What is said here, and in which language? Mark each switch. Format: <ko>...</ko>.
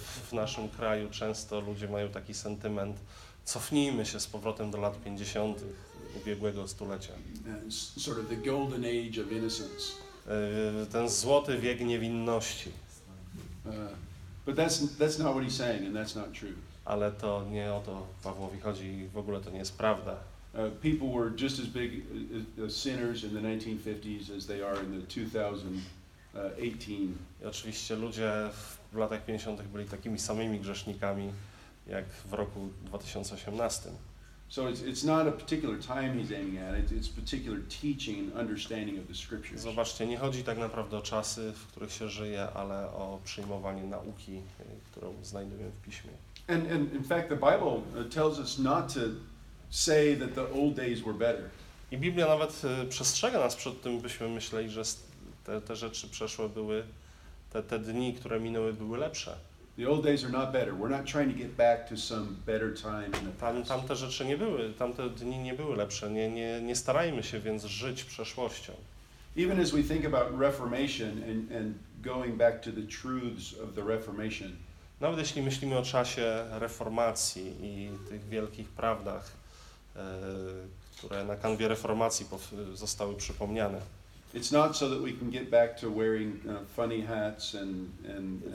<pl>W naszym kraju często ludzie mają taki sentyment, cofnijmy się z powrotem do lat 50. ubiegłego stulecia.</pl> <en>Sort of the golden age of innocence.</en> <pl>ten złoty wiek niewinności.</pl> <en>But that's not what he's saying, and that's not true.</en> <pl>Ale to nie o to Pawłowi chodzi, w ogóle to nie jest prawda.</pl> <en>People were just as big sinners in the 1950s as they are in the 2018.</en> <pl>I oczywiście ludzie w latach 50. byli takimi samymi grzesznikami jak w roku 2018.</pl> <en>So it's not a particular time he's aiming at, it's particular teaching and understanding of the scriptures.</en> <pl>Zobaczcie, nie chodzi tak naprawdę o czasy, w których się żyje, ale o przyjmowanie nauki, którą znajdujemy w piśmie.</pl> <en>And in fact the Bible tells us not to say that the old days were better.</en> <pl>I Biblia nawet przestrzega nas przed tym, byśmy myśleli, że te rzeczy przeszłe były, te dni, które minęły, były lepsze.</pl> <en>The old days are not better. We're not trying to get back to some better time in the past.</en> <pl>Tamte rzeczy nie były, tamte dni nie były lepsze. Nie starajmy się więc żyć przeszłością.</pl> <en>Even as we think about Reformation and going back to the truths of the Reformation.</en> <pl>Nawet jeśli myślimy o czasie reformacji i tych wielkich prawdach, które na kanwie reformacji zostały przypomniane.</pl> <en>It's not so that we can get back to wearing funny hats and</en>